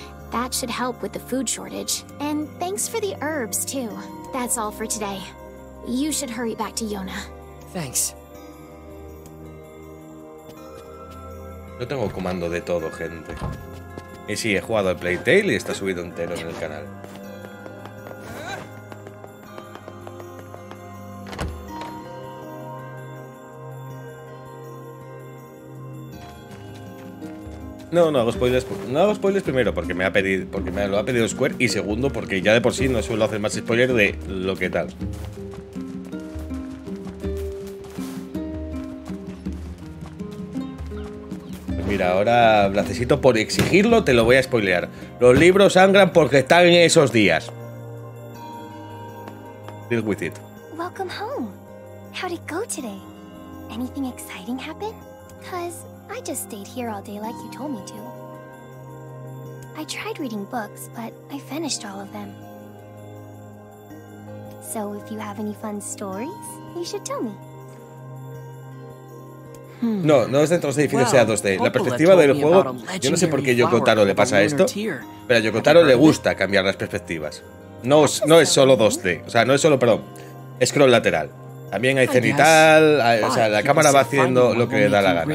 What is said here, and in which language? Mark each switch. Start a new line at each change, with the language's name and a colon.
English: That should help with the food shortage. And thanks for the herbs, too. That's all for today. You should hurry back to Yona. Thanks.
Spanish: Yo tengo comando de todo, gente. Y sí, he jugado al Playtale y está subido entero en el canal. No, no hago spoilers. No hago spoilers primero porque me lo ha pedido Square, y segundo porque ya de por sí no suelo hacer más spoiler de lo que tal. Mira, ahora necesito, por exigirlo, te lo voy a spoilear. Los libros sangran porque están en esos días.
English: Deal with it. Welcome home. How did it go today? Anything exciting happen? Cause I just stayed here all day like you told me to. I tried reading books, but I finished all of them. So if you have any fun stories, you should tell me.
Spanish: No, no es dentro de los edificios, sea 2D. La perspectiva del juego, yo no sé por qué a Yoko Taro le pasa esto, pero a Yoko Taro le gusta cambiar las perspectivas. No es solo 2D, o sea, no es solo, perdón, scroll lateral. También hay cenital, o sea, la cámara va haciendo lo que le da la gana.